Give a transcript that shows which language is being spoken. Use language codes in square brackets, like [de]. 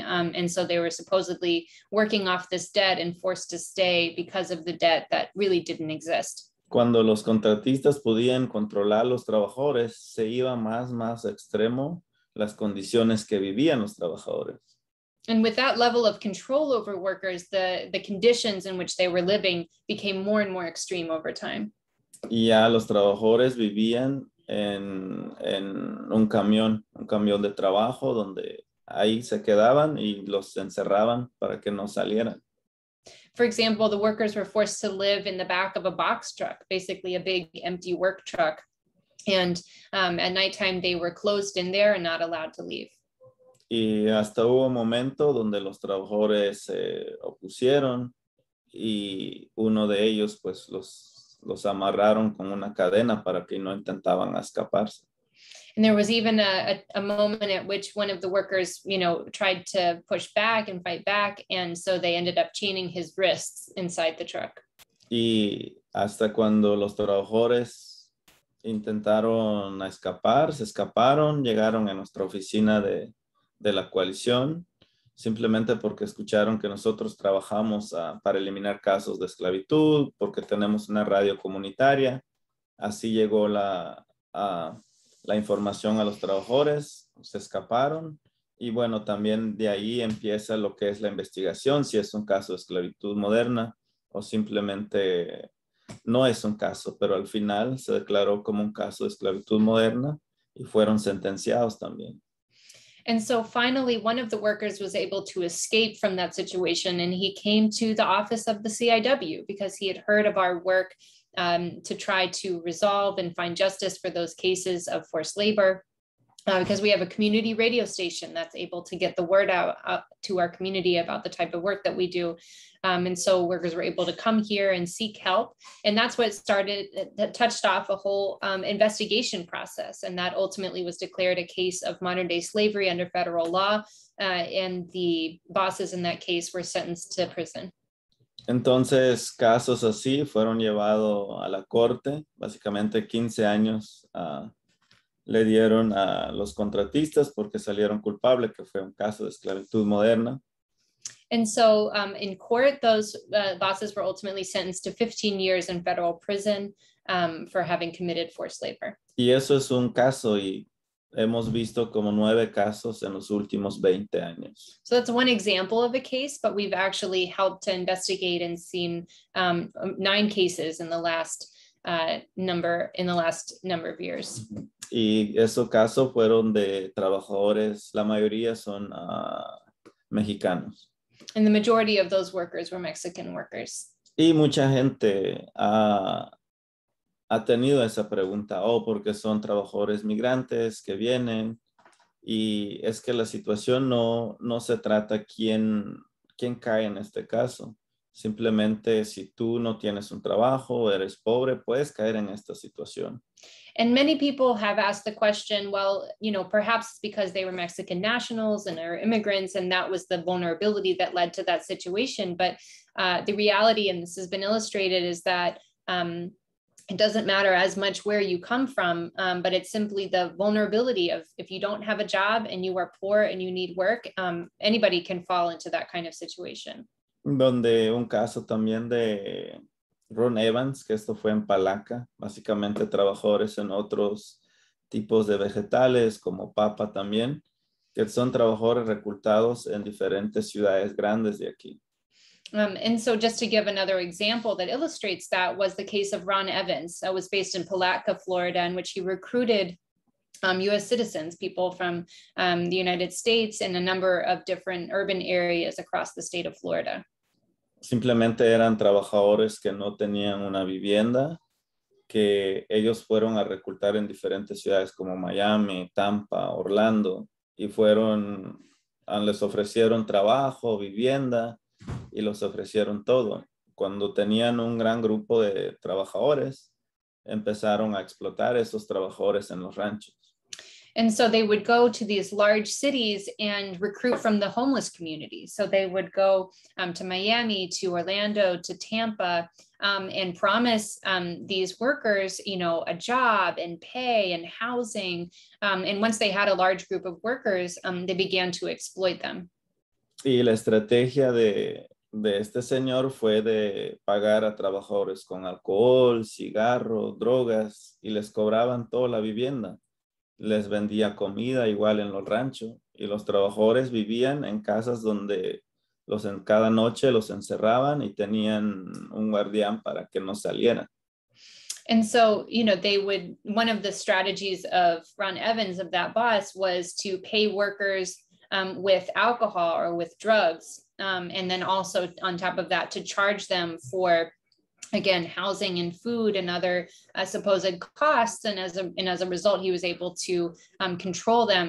[en] And so they were supposedly working off this debt and forced to stay because of the debt that really didn't exist. [es] Cuando los contratistas podían controlar los trabajadores, se iba más extremo las condiciones que vivían los trabajadores. [en] And with that level of control over workers, the conditions in which they were living became more and more extreme over time. [es] Y ya los trabajadores vivían en un camión de trabajo donde ahí se quedaban y los encerraban para que no salieran. [en] For example, the workers were forced to live in the back of a box truck, basically a big empty work truck. And at nighttime, they were closed in there and not allowed to leave. [es] Y hasta hubo un momento donde los trabajadores se opusieron y uno de ellos, pues, los amarraron con una cadena para que no intentaban escaparse. [en] And there was even a moment at which one of the workers, you know, tried to push back and fight back, and so they ended up chaining his wrists inside the truck. [es] Y hasta cuando los trabajadores intentaron escapar, se escaparon, llegaron a nuestra oficina de la coalición, simplemente porque escucharon que nosotros trabajamos para eliminar casos de esclavitud, porque tenemos una radio comunitaria. Así llegó la información a los trabajadores, se escaparon Y bueno, también de ahí empieza lo que es la investigación, si es un caso de esclavitud moderna o simplemente no es un caso, pero al final se declaró como un caso de esclavitud moderna y fueron sentenciados también. [en] And so finally, one of the workers was able to escape from that situation and he came to the office of the CIW because he had heard of our work to try to resolve and find justice for those cases of forced labor. Because we have a community radio station that's able to get the word out to our community about the type of work that we do. And so workers were able to come here and seek help. And that's what started, that touched off a whole investigation process. And that ultimately was declared a case of modern day slavery under federal law. And the bosses in that case were sentenced to prison. [es] Entonces, casos así fueron llevados a la corte, básicamente 15 años le dieron a los contratistas porque salieron culpables, que fue un caso de esclavitud moderna. [en] And so in court, those bosses were ultimately sentenced to 15 years in federal prison for having committed forced labor. [es] Y eso es un caso y hemos visto como 9 casos en los últimos 20 años. [en] So that's one example of a case, but we've actually helped to investigate and seen 9 cases in the last number of years. [es] Y esos casos fueron de trabajadores, la mayoría son mexicanos. [en] And the majority of those workers were Mexican workers. [es] Y mucha gente ha tenido esa pregunta, porque son trabajadores migrantes que vienen. Y es que la situación no se trata quién cae en este caso. Simplemente si tú no tienes un trabajo, eres pobre, puedes caer en esta situación. [en] And many people have asked the question, well, you know, perhaps it's because they were Mexican nationals and are immigrants, and that was the vulnerability that led to that situation. But the reality, and this has been illustrated, is that it doesn't matter as much where you come from, but it's simply the vulnerability of if you don't have a job and you are poor and you need work, anybody can fall into that kind of situation. [es] Donde un caso también de Ron Evans, que esto fue en Palanca, básicamente trabajadores en otros tipos de vegetales, como papa también, que son trabajadores reclutados en diferentes ciudades grandes de aquí. [en] And so just to give another example that illustrates that was the case of Ron Evans. That was based in Palanca, Florida, in which he recruited U.S. citizens, people from the United States and a number of different urban areas across the state of Florida. [es] Simplemente eran trabajadores que no tenían una vivienda, que ellos fueron a reclutar en diferentes ciudades como Miami, Tampa, Orlando, y les ofrecieron trabajo, vivienda, y los ofrecieron todo. Cuando tenían un gran grupo de trabajadores, empezaron a explotar esos trabajadores en los ranchos. [en] And so they would go to these large cities and recruit from the homeless community. So they would go to Miami, to Orlando, to Tampa, and promise these workers, you know, a job and pay and housing. And once they had a large group of workers, they began to exploit them. [es] Y la estrategia de este señor fue de pagar a trabajadores con alcohol, cigarro, drogas, y les cobraban toda la vivienda. Les vendía comida igual en los ranchos y los trabajadores vivían en casas donde cada noche los encerraban y tenían un guardián para que no salieran. [en] And so, you know, one of the strategies of Ron Evans, of that boss, was to pay workers with alcohol or with drugs. And then also on top of that, to charge them for, again, housing and food and other supposed costs, and as a result, he was able to control them.